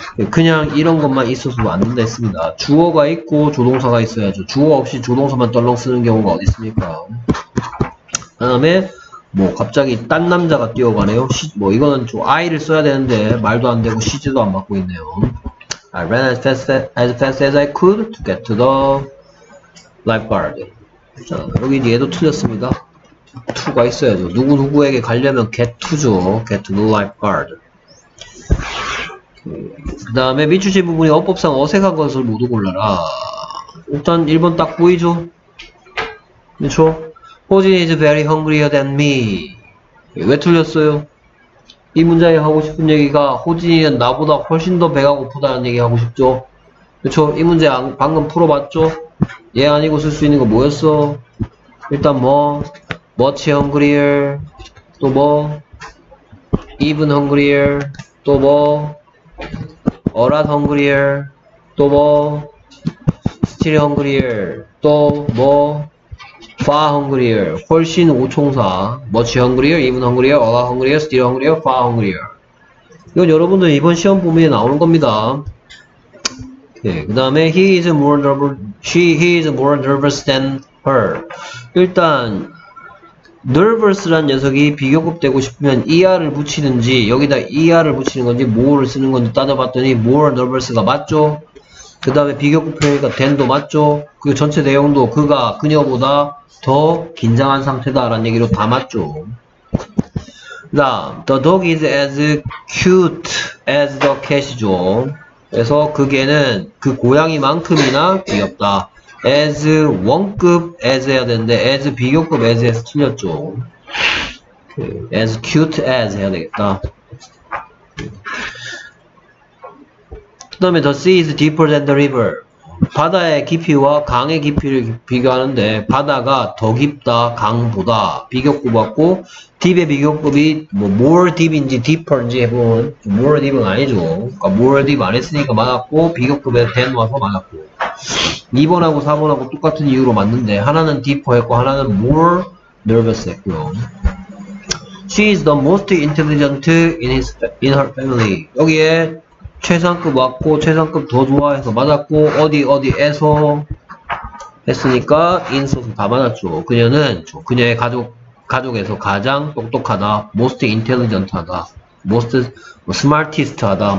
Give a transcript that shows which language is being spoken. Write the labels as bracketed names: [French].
[Korean] 그냥 이런 것만 있어서도 안 된다 했습니다. 주어가 있고 조동사가 있어야죠. 주어 없이 조동사만 떨렁 쓰는 경우가 어디 있습니까? 다음에 뭐 갑자기 딴 남자가 뛰어가네요. 뭐 이거는 좀 I를 써야 되는데 말도 안 되고 시제도 안 맞고 있네요. [English] I ran as fast as I could to get to the lifeguard. [Korean] 자, 여기 얘도 틀렸습니다. To가 있어야죠. 누구 누구에게 가려면 get to죠. [English] Get to the lifeguard. [Korean] 그 다음에 밑주신 부분이 어법상 어색한 것을 모두 골라라. 일단 1번 딱 보이죠? 그쵸? [English] Hojin is very hungrier than me. [Korean] 왜 틀렸어요? 이 문장에 하고 싶은 얘기가 호진이는 나보다 훨씬 더 배가 고프다는 얘기 하고 싶죠? 그쵸? 이 문제 방금 풀어봤죠? 얘 아니고 쓸 수 있는 거 뭐였어? 일단 뭐 [English] much hungrier, [Korean] 또 뭐 [English] even hungrier, 또 뭐 a lot hungrier, 또 뭐 still hungrier, 또 뭐 far hungrier, [Korean] 훨씬 오총사, [English] much hungrier, even hungrier, a lot hungrier, still hungrier, far hungrier. [Korean] 이건 여러분들 이번 시험 부분에 나오는 겁니다. 네, 그 다음에 [English] he is more nervous than her. [Korean] 일단 nervous란 녀석이 비교급 되고 싶으면 er을 붙이는지 여기다 er을 붙이는 건지 more를 쓰는 건지 따져봤더니 more nervous가 맞죠. 그 다음에 비교급 표현이니까 than도 맞죠. 그 전체 내용도 그가 그녀보다 더 긴장한 상태다 라는 얘기로 다 맞죠. 그 다음 [English] the dog is as cute as the cat이죠. [Korean] 그래서 그 개는 그 고양이만큼이나 귀엽다. as 원급 as 해야 되는데 as 비교급 as 해서 틀렸죠. [English] as cute as [Korean] 해야 되겠다. 그 다음에 [English] the sea is deeper than the river. [Korean] 바다의 깊이와 강의 깊이를 비교하는데 바다가 더 깊다 강보다 비교급 같고 deep의 비교급이 뭐 more deep인지 deeper인지 해보면 more deep은 아니죠. 그러니까 more deep 안 했으니까 맞았고 비교급에 then 와서 맞았고 2번하고 4번하고 똑같은 이유로 맞는데 하나는 deeper 했고 하나는 more nervous 했고요. [English] She is the most intelligent in her family. [Korean] 여기에 최상급 왔고 최상급 더 좋아해서 맞았고 어디에서 했으니까 인서서 다 맞았죠. 그녀는 그녀의 가족에서 가장 똑똑하다. [English] most intelligent 하다. most smartest 하다.